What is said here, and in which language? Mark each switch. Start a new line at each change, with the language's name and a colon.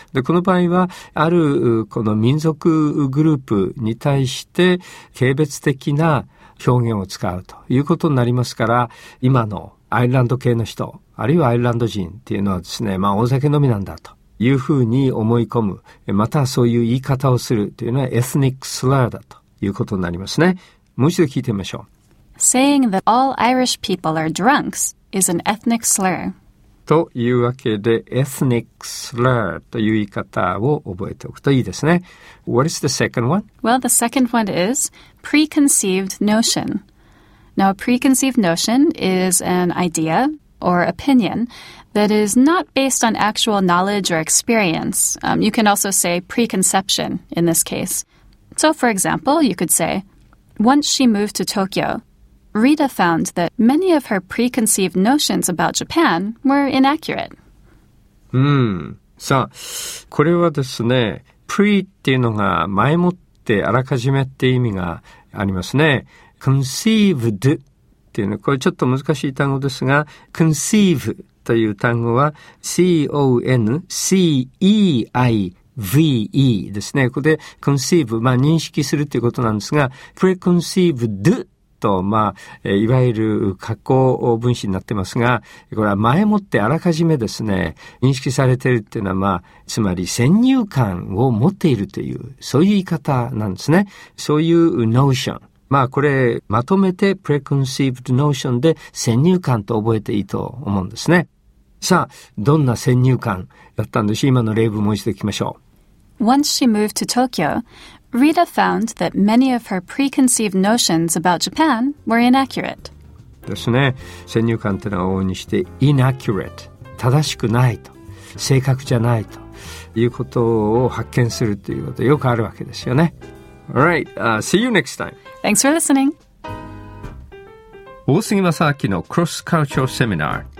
Japanese: で、この場合はあるこの民族グループに対して軽蔑的な表現を使うということになりますから、今のアイルランド系の人、あるいはアイルランド人っていうのはですね、まあ大酒飲みなんだというふうに思い込む、またそういう言い方をするというのはエスニックスラーだということになりますね。もう一度聞いてみましょう。
English: Saying that all Irish people are drunks is an ethnic slur.
Japanese: というわけで、エスニックスラーという言い方を覚えておくといいですね。
English: What is the second one? Well, the second one is... Preconceived notion. Now, a preconceived notion is an idea or opinion that is not based on actual knowledge or experience. You can also say preconception in this case. So, for example, you could say, once she moved to Tokyo, Rita found that many of her preconceived notions about Japan were inaccurate.
Japanese: さあ、これはですね、pre っていうのが前もってあらかじめって意味がありますね。 conceived っていうのは、これちょっと難しい単語ですが、conceive という単語は、conceive ですね。ここで conceive、まあ認識するということなんですが、preconceived っと、まあ、いわゆる加工分子になってますが、これは前もってあらかじめですね、認識されているっていうのは、まあ、つまり先入観を持っているという、そういう言い方なんですね。そういう notion。まあ、これまとめて preconceived notion で先入観と覚えていいと思うんですね。さあ、どんな先入観だったんでしょう。今の例文もう一度いきましょう。
English: Once she moved to Tokyo, Rita found that many of her preconceived notions about Japan were inaccurate.
Japanese: ですね。先入観というのは往々にして inaccurate、正しくないと、正確じゃないということを発見するということよくあるわけですよね。
English: All right, see you next time. Thanks for listening.
Japanese: 大杉正明の Cross Cultural Seminar.